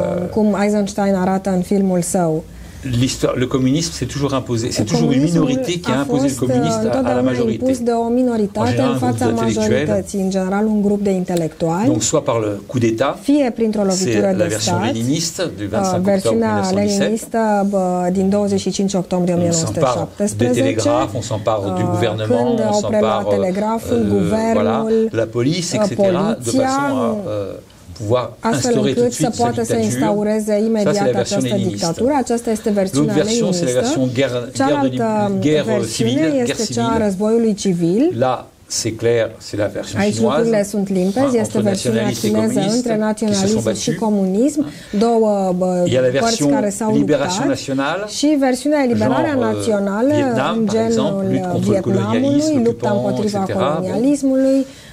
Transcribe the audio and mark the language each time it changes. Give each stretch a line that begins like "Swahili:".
Romanian: Cum Eisenstein arată în filmul său.
French: l'histoire, le communisme s'est toujours imposé, c'est toujours une minorité qui a imposé le communisme à la majorité.
Romanian: Impus de o minoritate în fața majorității, în general un grup de intelectuali.
French: Donc soit par le coup d'état,
Romanian: fie printr-o lovitură de stat,
French: la version léniniste du 25 octobre 1917.
Romanian: Versiunea leninistă din 25 octombrie 1917.
French: On s'empare du gouvernement, on s'empare la télégraphe, le gouvernement, la police, etc. De façon à pouvoir instaurer tout de suite cette dictature. Ça, c'est la version dictature.
Romanian: Aceasta este versiunea
French: l'autre version, c'est la version guerre civile. Là, c'est clair, c'est la version
Romanian: aici
French: chinoise.
Romanian: Lucrurile sunt limpezi, este versiunea chineză între naționalism și comunism, două părți care s-au luptat și versiunea eliberare națională, Vietnam, în genul Vietnamului, lupta împotriva colonialismului,